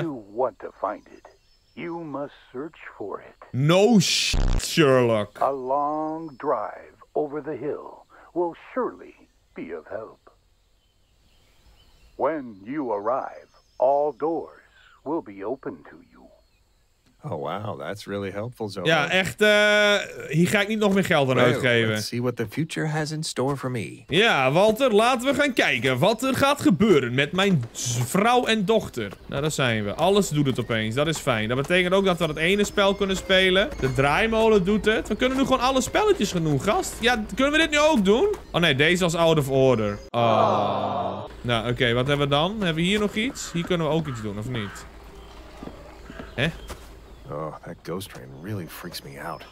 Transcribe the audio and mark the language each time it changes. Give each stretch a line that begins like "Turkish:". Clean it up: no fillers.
English: You want to find it, you must search for it. No shit, Sherlock. A long drive over the hill will surely be of help. When you arrive, all doors will be open to you. Oh wow, that's really helpful, Zoe.
Dutch: Ja, echt, hier ga ik niet nog meer geld aan uitgeven.
English: Let's see what the future has in store for me.
Dutch: Ja, Walter, laten we gaan kijken wat er gaat gebeuren met mijn vrouw en dochter. Nou, daar zijn we. Alles doet het opeens, dat is fijn. Dat betekent ook dat we dat ene spel kunnen spelen. De draaimolen doet het. We kunnen nu gewoon alle spelletjes gaan doen, gast. Ja, kunnen we dit nu ook doen? Oh nee, deze was
English: out of order.
Dutch: Oh. Nou, oké, wat hebben we dan? Hebben we hier nog iets? Hier kunnen we ook iets doen, of niet? Hè?
English: Oh, that ghost train really freaks me out.